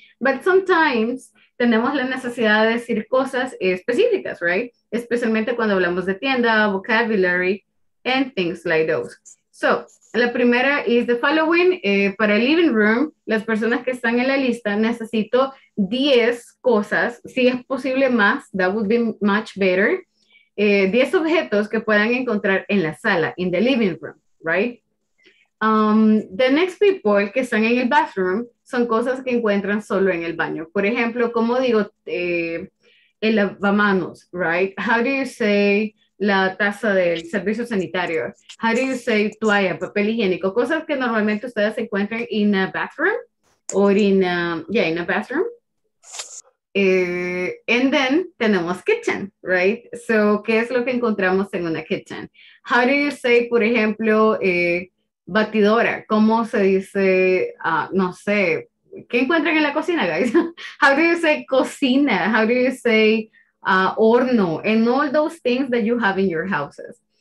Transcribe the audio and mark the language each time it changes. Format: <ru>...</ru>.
<en>But sometimes</en> <es>tenemos la necesidad de decir cosas específicas, right? Especialmente cuando hablamos de tienda, vocabulary,</es> <en>and things like those. So,</en> <es>la primera</es> <en>is the following.</en> <es>Para el living room, las personas que están en la lista, necesito 10 cosas. Si es posible más,</es> <en>that would be much better.</en> <es>10 objetos que puedan encontrar en la sala,</es> <en>in the living room,</en> <es>right?</es> <en>The next people</en> <es>que están en el bathroom son cosas que encuentran solo en el baño. Por ejemplo, como digo, el lavamanos, right?</es> <en>How do you say</en> <es>la taza del servicio sanitario? How do you say toalla, papel higiénico? Cosas que normalmente ustedes encuentran in a bathroom or in a, yeah, in a bathroom.</es> <en>And then tenemos kitchen, right?</en> <es>So, ¿qué es lo que encontramos en una kitchen?</es> <en>How do you say,</en> <es>por ejemplo, batidora? ¿Cómo se dice, no sé, qué encuentran en la cocina, guys?</es> <en>How do you say cocina? How do you say horno? And all those things that you have in your houses.</en>